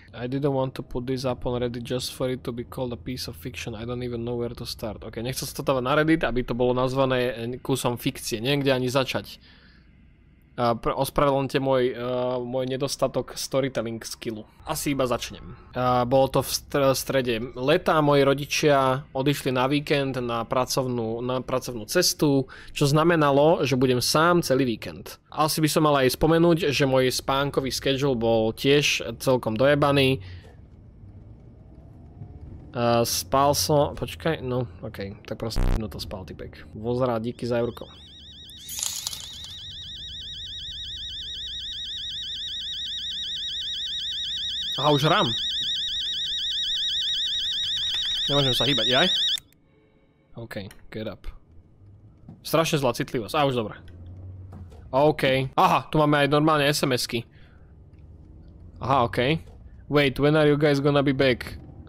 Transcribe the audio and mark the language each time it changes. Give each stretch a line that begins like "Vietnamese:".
English: I didn't want to put this up on Reddit just for it to be called a piece of fiction. I don't even know where to start.
Slovak: Ok, nechcel som to dávať na Reddit, aby to bolo nazvané kusom fikcie. Niekde ani začať. Ospravedlňte môj nedostatok
English: storytelling skillu.
Slovak: Asi iba začnem. Bolo to v strede leta, moji rodičia odišli na víkend na pracovnú cestu, čo znamenalo, že budem sám celý víkend. Asi by som mal aj spomenúť, že môj spánkový schedule bol tiež celkom dojebaný. Spal som... Počkaj, no, okej, okay, tak proste no to spal, typek. Vozra, díky za eurko. Aha, už hrám. Nemôžem sa hýbať, jaj.
English: OK, get up.
Slovak: Strašne zlá citlivosť. Á, už dobré. OK. Aha, tu máme aj normálne SMS-ky. Aha, OK.
English: Wait, when are you guys gonna be back?